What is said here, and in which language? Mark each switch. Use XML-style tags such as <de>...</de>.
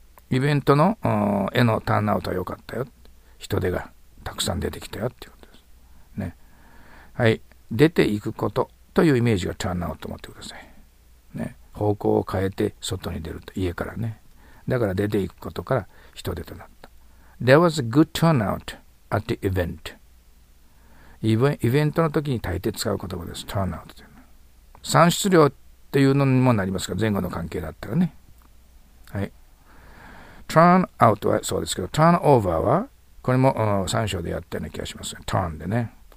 <ja>イベントの絵の turn out は良かったよ、人出がたくさん出てきたよっていうことです、ね、はい、出ていくことというイメージがターンアウトと思ってください、ね、方向を変えて外に出ると、家からね。だから出ていくことから人出となった。</ja> <en>There was a good turnout at the event。</en> <ja>イベントの時に大抵使う言葉です。ターンアウトというのは産出量というのにもなりますが、前後の関係だったらね。はい、ターンアウトはそうですけど、ターンオーバーはこれも3章でやったような気がしますね。 turn でね。</ja>